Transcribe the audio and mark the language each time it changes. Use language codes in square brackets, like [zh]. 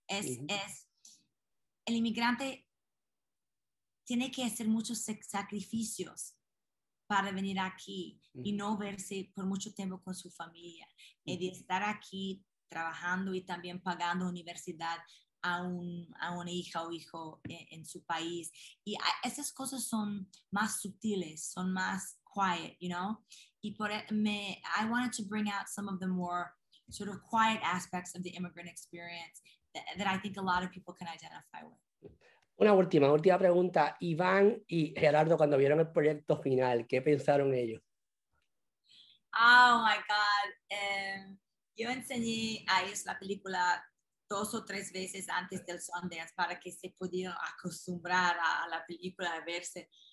[es] El inmigrante tiene que hacer muchos sacrificios para venir aquí y no verse por mucho tiempo con su familia. Y de estar aquí trabajando y también pagando universidad a una hija o hijo en su país. Y esas cosas son más sutiles, son más [en] quiet, you know? Y I wanted to bring out some of the more sort of quiet aspects of the immigrant experience that I think a lot of people can identify with. [es] Una última pregunta. Iván y Gerardo, cuando vieron el proyecto final, ¿qué pensaron ellos? [en] Oh my God. [es] Yo enseñé a ellos la película dos o tres veces antes del Sundance para que se pudieran acostumbrar a la película, a verse.